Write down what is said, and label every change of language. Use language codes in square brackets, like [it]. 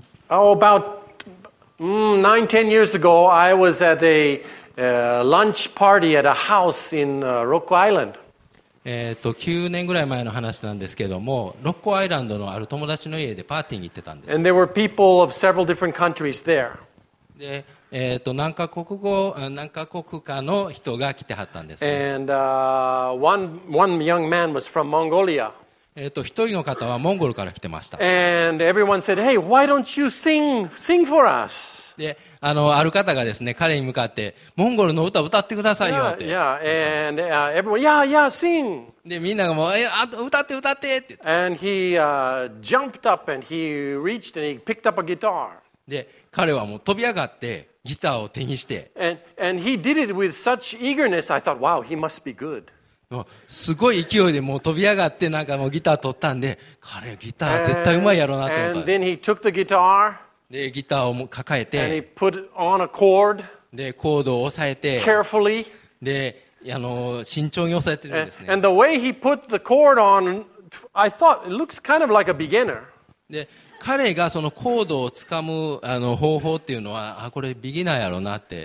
[en] Oh, about 9, 10 years ago, I was at a lunch party at a house in Rocco Island. [ja] 9年ぐらい前の話なんですけども、ロッコアイランドのある友達の家でパーティーに行ってたんです。 [en] And there were people of several different countries there. [ja] で、何カ国かの人が来てはったんです、ね、 [en] And one young man was from Mongolia. [ja] 一人の方はモンゴルから来てました。 [en] And everyone said, hey, why don't you sing for us? [ja] で、ある方がですね、彼に向かってモンゴルの歌を歌ってくださいよって。 [en] Yeah, yeah. And everyone, yeah, yeah, sing. [ja] で、みんながもう、歌ってって。 [en] And he jumped up and he reached and he picked up a guitar. [ja] で、彼はもう飛び上がってギターを手にして。 [en] And he did it with such eagerness. I thought, wow, he must be good. [ja] すごい勢いでもう飛び上がってなんかもうギター取ったんで、彼ギター絶対上手いやろうなと思ったんです。 [en] And then he took the guitar. [ja] でギターを抱えて、 [en] and he put on a cord, [ja] でコードを押さえて、 [en] carefully, [ja] で慎重に押さえてるんですね。 [en] And the way he put the cord on, I thought it looks kind of like a beginner. [ja] で彼がそのコードをつかむ方法っていうのは、あ、これビギナーやろうなって、